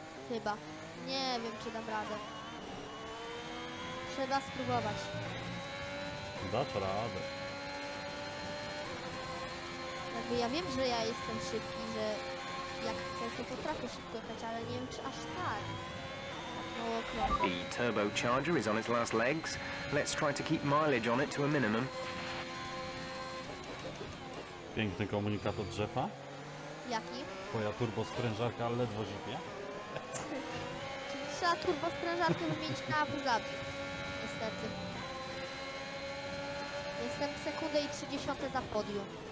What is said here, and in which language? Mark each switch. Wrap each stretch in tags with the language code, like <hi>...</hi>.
<pl>Chyba. Nie wiem, czy dam radę. Trzeba spróbować. Dasz radę. Jakby ja wiem, że ja jestem szybki, że jak chcę, to potrafię szybko jechać, ale nie wiem, czy aż tak.</pl> <en>The turbocharger is on its last legs. Let's try to keep mileage on it to a minimum.</en> <pl>Piękny komunikat od drzewa. Jaki? Twoja turbosprężarka ledwo zipie. Czyli trzeba turbosprężarkę wymienić na Abu Dhabi. Niestety. Jestem w sekundę i 30 za podium.</pl>